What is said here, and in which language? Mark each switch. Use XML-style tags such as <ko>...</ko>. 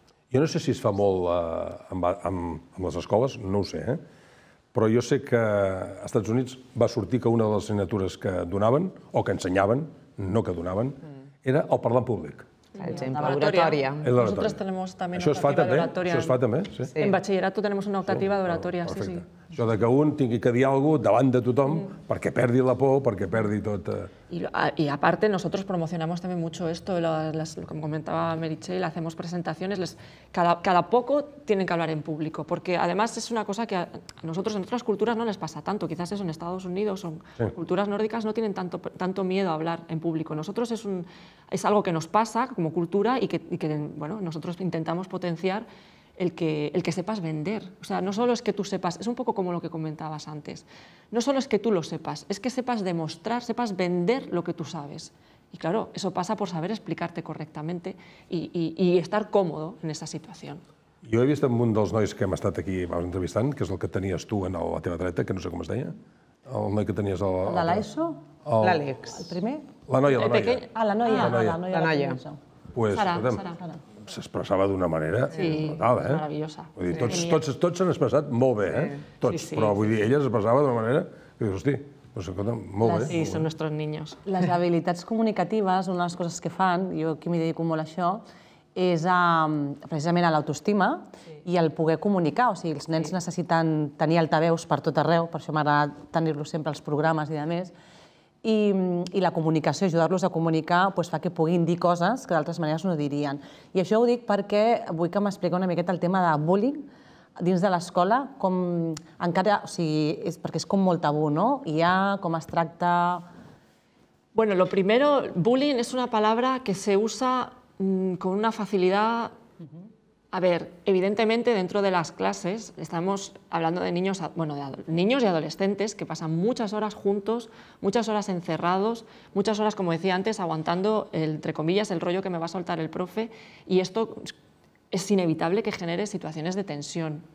<ca>Jo no sé si es fa molt amb les escoles, no ho sé, però jo sé que als Estats Units va sortir que una de les assignatures que donaven, o que ensenyaven, no que donaven, era el parlar en públic. L'oratòria. Nosaltres tenim també una optativa d'oratòria. Això es fa també, sí. En batxillerat tenim una optativa d'oratòria, sí, sí. Això de que un tingui que dir alguna cosa davant de tothom perquè perdi la por, perquè perdi tot...</ca> <es>Y aparte, nosotros promocionamos también mucho esto, como comentaba Meritxell, hacemos presentaciones, cada poco tienen que hablar en público, porque además es una cosa que a nosotros en otras culturas no les pasa tanto, quizás eso en Estados Unidos, son culturas nórdicas, no tienen tanto miedo a hablar en público. Nosotros es algo que nos pasa como cultura y que bueno, nosotros intentamos potenciar el que sepas vender. O sea, no solo es que tú sepas, es un poco como lo que comentabas antes, no solo es que tú lo sepas, es que sepas demostrar, sepas vender lo que tú sabes. Y claro, eso pasa por saber explicarte correctamente y estar cómodo en esa situación.</es> <ca>Jo he vist amb un dels nois que hem estat aquí entrevistant, que és el que tenies tu a la teva dreta, que no sé com es deia, el noi que tenies... El de l'ESO? L'Àlex. El primer? La noia. Pues, s'expressava d'una manera brutal, eh? Sí, meravellosa. Vull dir, tots s'han expressat molt bé, eh? Tots, però vull dir, ella s'expressava d'una manera que dius, hosti, doncs escolta, molt bé. Sí, són nostres niños. Les habilitats comunicatives, una de les coses que fan, jo aquí m'hi dedico molt a això, és precisament a l'autoestima i el poder comunicar. O sigui, els nens necessiten tenir altaveus per tot arreu, per això m'agrada tenir-los sempre als programes i demés. I la comunicació, ajudar-los a comunicar, fa que puguin dir coses que d'altres maneres no dirien. I això ho dic perquè vull que m'expliqui una miqueta el tema de bullying dins de l'escola, com encara, o sigui, perquè és com molt tabú, no? Hi ha, com es tracta...</ca> <es>Bueno, lo primero, bullying es una palabra que se usa con una facilidad... A ver, evidentemente dentro de las clases estamos hablando de niños, bueno, de niños y adolescentes que pasan muchas horas juntos, muchas horas encerrados, muchas horas, como decía antes, aguantando, entre comillas, el rollo que me va a soltar el profe, y esto es inevitable que genere situaciones de tensión.</es>